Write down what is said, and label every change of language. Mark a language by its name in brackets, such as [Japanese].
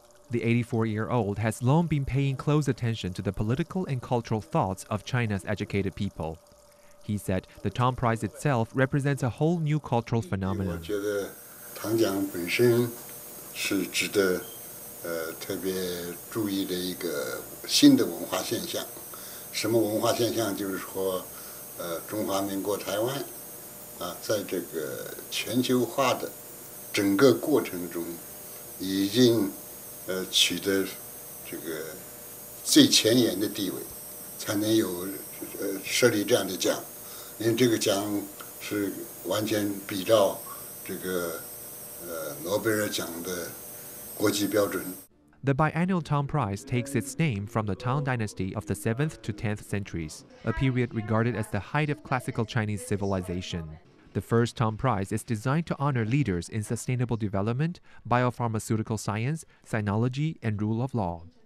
[English] The 84-year-old has long been paying close attention to the political and cultural thoughts of China's educated people. He said the Tang Prize itself represents a whole new cultural phenomenon. I think the Tang Prize itself represents a whole new cultural phenomenon. What kind of cultural phenomenon is it? It's that [Chinese] 中华民国台湾 在这个全球化的整个过程中 已经取得这个最前沿的地位 才能有设立这样的奖 因为这个奖是完全比照这个诺贝尔奖的国际标准。 [English] The biennial Tang Prize takes its name from the Tang Dynasty of the 7th to 10th centuries, a period regarded as the height of classical Chinese civilization. The first Tang Prize is designed to honor leaders in sustainable development, biopharmaceutical science, sinology, and rule of law.